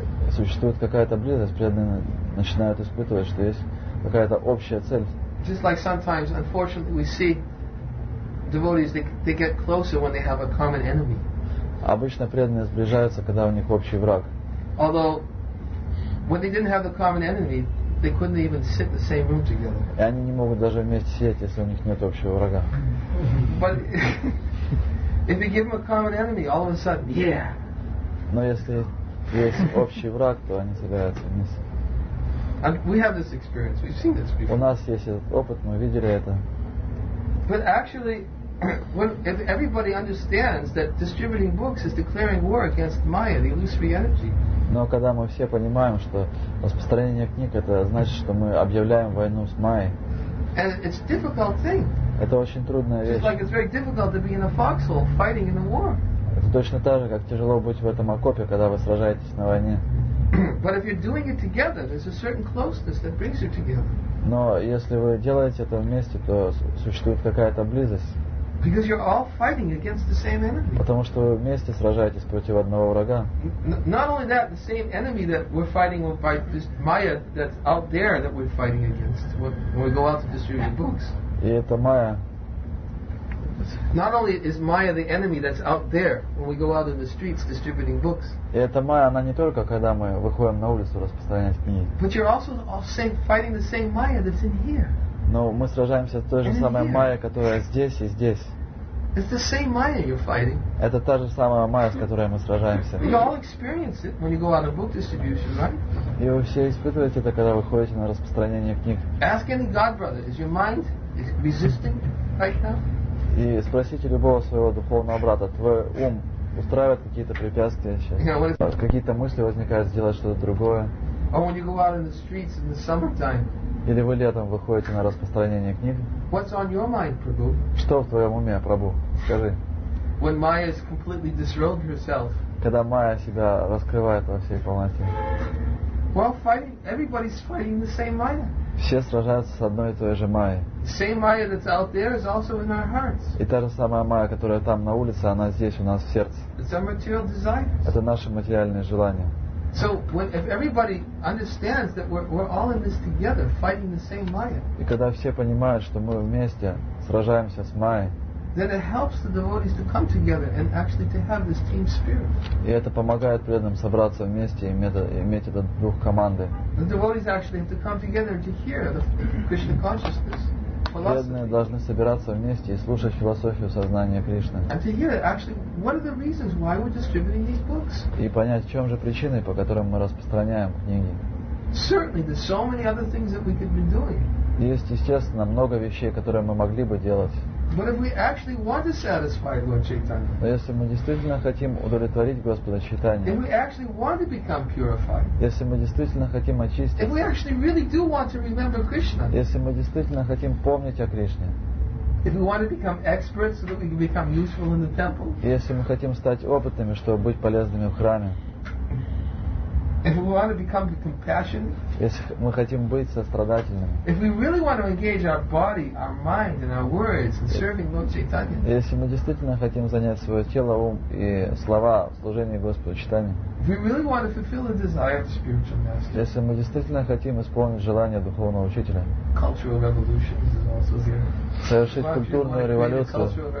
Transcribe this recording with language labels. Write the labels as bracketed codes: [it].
[ru] Существует какая-то близость, преданные начинают испытывать, что есть какая-то общая цель. [en] Just like sometimes, unfortunately, we see devotees they get closer when they have a common enemy. [ru] Обычно преданные сближаются, когда у них общий враг. [en] Although when they didn't have the common enemy, they couldn't even sit in the same room together. [ru] И они не могут даже вместе сидеть, если у них нет общего врага. [en] But if you give them a common enemy, all of a sudden, yeah. [ru] Но если есть общий враг, то они собираются вместе. [en] And we have this experience. We've seen this before. [ru] У нас есть этот опыт, мы видели это. [en] But actually, if everybody understands that distributing books is declaring war against Maya, the illusory energy. [ru] Но когда мы все понимаем, что распространение книг это значит, что мы объявляем войну с Майей. [en] And it's a difficult thing. [ru] Это очень трудная [en] just Like it's very difficult to be in a foxhole fighting in a war. [ru] Это точно так же, как тяжело быть в этом окопе, когда вы сражаетесь на войне. [en] But if you're doing it together, there's a certain closeness that brings you together. [ru] Но если вы делаете это вместе, то существует какая-то близость. [en] Because you're all fighting against the same enemy. [ru] Потому что вы вместе сражаетесь против одного врага. [en] Not only that, the same enemy that we're fighting with by this Maya that's out there that we're fighting against when we go out to distribute books. [ru] И это Майя. [en] Not only is Maya the enemy that's out there when we go out in the streets distributing books. [ru] И это Майя, она не только когда мы выходим на улицу распространять книги. [en] But you're also fighting the same Maya that's in here. [ru] Но мы сражаемся с той же самой Майей, которая здесь и здесь. [en] It's the same Maya you're fighting. [ru] Это та же самая Майя, с которой мы сражаемся. [en] You all experience it when you go out on book distribution, right? [ru] И вы все испытываете это, когда выходите на распространение книг. [en] Ask any God brother, is your mind resisting right now? [ru] И спросите любого своего духовного брата, твой ум устраивает какие-то препятствия сейчас? [en] You know, [ru] какие-то мысли возникают сделать что-то другое? [en] Or when you go out in the streets in the summertime. [ru] Или вы летом выходите на распространение книг? [en] What's on your mind, Prabhu? [ru] Что в твоем уме, Прабху? Скажи. [en] When Maya has completely disrobed herself. [ru] Когда Майя себя раскрывает во всей полноте. [en] Well, fighting. Everybody's fighting the same Maya. [ru] Все сражаются с одной и той же Майей. [en] Same Maya that's out there is also in our hearts. [ru] И та же самая Майя, которая там на улице, она здесь у нас в сердце. [en] It's our material desires. [ru] Это наши материальные желания. [en] So when if everybody understands that we're all in this together, fighting the same Maya. [ru] И когда все понимают, что мы вместе сражаемся с Майей. [en] Then it helps the devotees to come together and actually to have this team spirit. [ru] И это помогает преданным собраться вместе и иметь этот дух команды. [en] The devotees actually have to come together to hear the Krishna consciousness. [ru] Преданные должны собираться вместе и слушать философию сознания Кришны. [en] And to hear actually what are the reasons why we're distributing these books? [ru] И понять, в чем же причины, по которым мы распространяем книги. [en] Certainly, there's so many other things that we could be doing. [ru] Есть, естественно, много вещей, которые мы могли бы делать. [en] But if we actually want to satisfy Lord Chaitanya, [ru] но если мы действительно хотим удовлетворить Господа Чайтанью, [en] if we actually want to become purified, [ru] если мы действительно хотим очиститься, [en] if we actually really do want to remember Krishna, [ru] если мы действительно хотим помнить о Кришне, [en] if we want to become experts so that we can become useful in the temple, [ru] если мы хотим стать опытными, чтобы быть полезными в храме, [en] if we want to become compassionate, [ru] если мы хотим быть сострадательными, [en] if we really want to engage our body, our mind, and our words in serving Lord Chaitanya, [ru] если мы действительно хотим занять свое тело, ум и слова в служении Господу Чайтанье, [en] if we really want to fulfill the desire of the spiritual master, [ru] если мы действительно хотим исполнить желание духовного учителя, [en] cultural revolution is also here. [ru] Совершить культурную революцию.